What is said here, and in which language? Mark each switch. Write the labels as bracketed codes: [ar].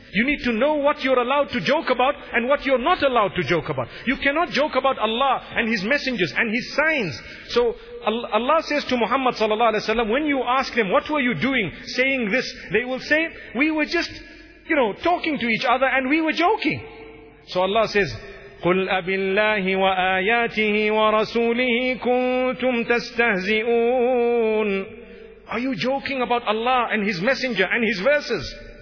[en] You need to know what you're allowed to joke about and what you're not allowed to joke about. You cannot joke about Allah and His messengers and His signs. So Allah says to Muhammad sallallahu alaihi wasallam, when you ask them, what were you doing saying this? They will say, we were just, you know, talking to each other and we were joking. [ar] So Allah says, قُلْ أَبِ اللَّهِ وَآيَاتِهِ وَرَسُولِهِ كُنْتُمْ تَسْتَهْزِئُونَ. [en] Are you joking about Allah and His messenger and His verses?